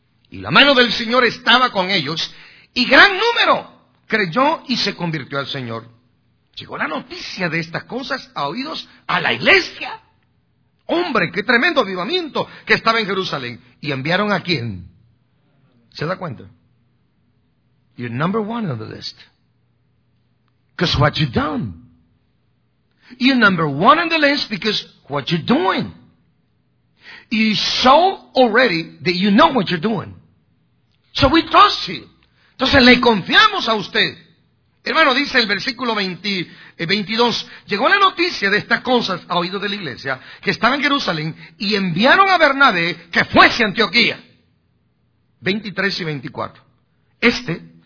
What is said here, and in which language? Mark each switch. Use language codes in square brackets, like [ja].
[es] Y la mano del Señor estaba con ellos, y gran número creyó y se convirtió al Señor. Llegó la noticia de estas cosas a oídos a la iglesia. ¡Hombre, qué tremendo avivamiento que estaba en Jerusalén! ¿Y enviaron a quién? ¿Se da cuenta? [en] You're number one on the list. Because what you've done. You're number one on the list because what you're doing. You show already that you know what you're doing. So we trust you. [es] Entonces le confiamos a usted. Hermano, dice el versículo 22, llegó la noticia de estas cosas a oídos de la iglesia que estaba en Jerusalén, y enviaron a Bernabé que fuese a Antioquía. 23 y 24. Este,